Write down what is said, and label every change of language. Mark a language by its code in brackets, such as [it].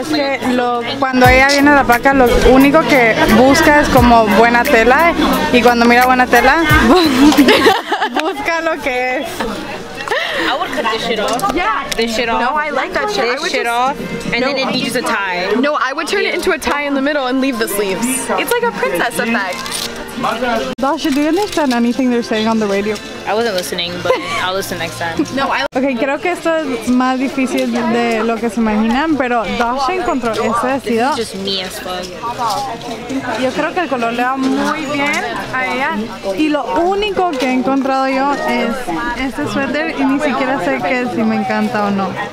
[en] That's, like, [es] lo que acaba de decir ella es que cuando ella viene a la paca, lo único que busca es como buena tela, y cuando mira buena tela, busca lo que es. [en] I would cut this shit off. Yeah. This shit off. No, I like that shit. This shit off. And then it'd be just a tie. No, I would turn it into a tie in the middle and leave the sleeves. It's like a princess effect. Dasha, do you understand anything they're saying on the radio? I wasn't listening, but I'll listen next time. No, [es] Okay, creo que esto es más difícil de lo que se imaginan, pero Dasha encontró este vestido. [en] This is just me as fuck. [es] Yo creo que el color le va muy bien a ella. Y lo único que he encontrado yo es este suéter, y ni siquiera sé que si me encanta o no.